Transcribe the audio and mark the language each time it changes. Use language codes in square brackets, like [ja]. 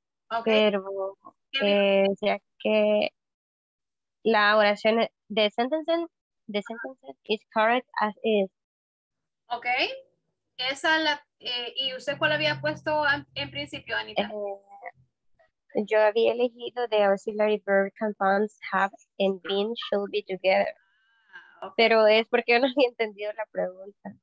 [en] Okay. [es] Pero, ya que la oración, the sentence is correct as is. [en] Okay. [es] Esa la, ¿y usted cuál había puesto en principio, Anita? [en] Yo había elegido the auxiliary verb compounds have and been should be together. Ah, okay. [es] Pero es porque yo no había entendido la pregunta.